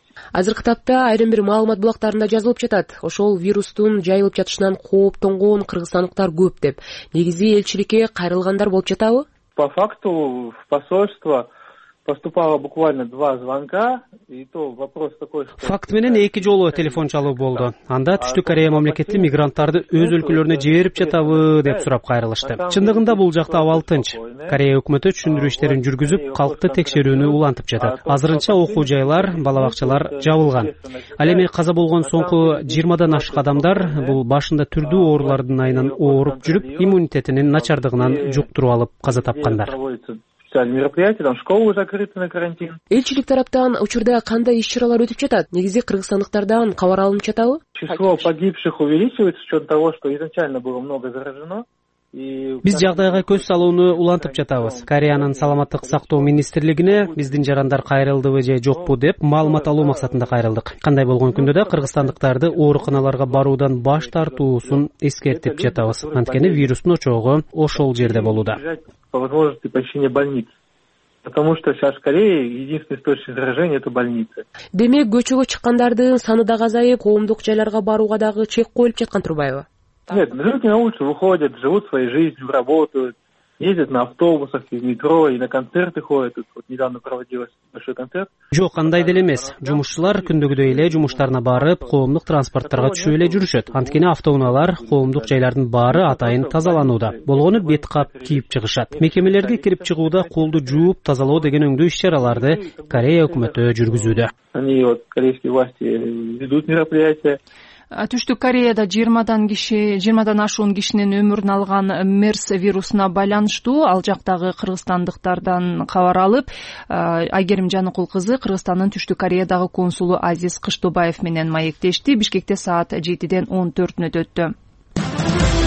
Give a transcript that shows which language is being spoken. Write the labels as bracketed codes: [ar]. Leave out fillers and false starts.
[ky] Азыркы тапта айрым бир маалымат булактарында жазылып жатат. Ошол вирустун жайылып жатышынан кооптонгон кыргызстандыктар көп деп. Негизи элчиликке кайрылгандар болуп жатабы? [ru] По факту в посольство поступало буквально 2 звонка, и то вопрос такой, что [ky] факт менен 2 жолу телефон чалуу болду. Анда Түштүк Корея мамлекети мигранттарды өз өлкөлөрүнө жиберип жатабы деп сурап кайрылышты. Чындыгында бул жакта абал тынч. Корея өкмөтү түшүндүрүү иштерин жүргүзүп, калкты текшерүүнү улантып жатат. Азырынча окуу жайлар, бала бакчалар жабылган. Ал эми каза болгон соңку 20 ашык адамдар бул башында түрдүү оорулардын айынан ооруп жүрүп, иммунитетинин начардыгынан жуктуруп алып каза тапкандар. [ru] Мероприятия, там школы закрыты на карантин. [ky] Элчилик тараптан учурда кандай иш-чаралар өтүп жатат? Негизи кыргызстандыктардан кабар алынып жатабы? [ru] Число погибших увеличивается с учетом того, что изначально было много заражено. [ky] Биз жагдайга көз салууну улантып жатабыз. Кореянын саламаттык сактоо министрлигине биздин жарандар кайрылдыбы же жокпу деп маалымат алуу максатында кайрылдык. Кандай болгон күндө да кыргызстандыктарды ооруканаларга баруудан баш тартуусун эскертип жатабыз. Анткени вирустун очогу ошол жерде болууда. [ru] По возможности посещение больниц. Потому что сейчас в Корее единственный источник заражения это больницы. [ky] Демек көчөгө чыккандардын саны дагы азайып, коомдук жайларга барууга дагы чек коюлуп жаткан турбайбы? [ru] Нет, люди на улице выходят, живут своей жизнью, работают, ездят на автобусах, из метро и на концерты ходят. Тут вот недавно проводилось большой концерт. [ky] Жок, кандай деле эмес. Жумушчулар күндөгүдөй эле жумуштарына барып, коомдук транспорттарга түшүп эле жүрүшөт. Анткени автоунаалар коомдук жайлардын баары атайын тазаланууда. Болгону бет кап кийип чыгышат. Мекемелерге кирип чыгууда колду жууп тазалоо деген өңдүү иш-чараларды Корея өкмөтү жүргүзүүдө. [ru] Они вот корейские власти ведут мероприятия. [ky] Түштүк Кореяда 20-дан ашуун кишинин өмүрүн алган MERS вирусуна байланыштуу ал жактагы кыргызстандыктардан кабар алып, Айгерим Жаныкул кызы Кыргызстандын Түштүк Кореядагы консулу Азиз Кыштобаев менен маектешти. Бишкекте саат 7:14 өттү.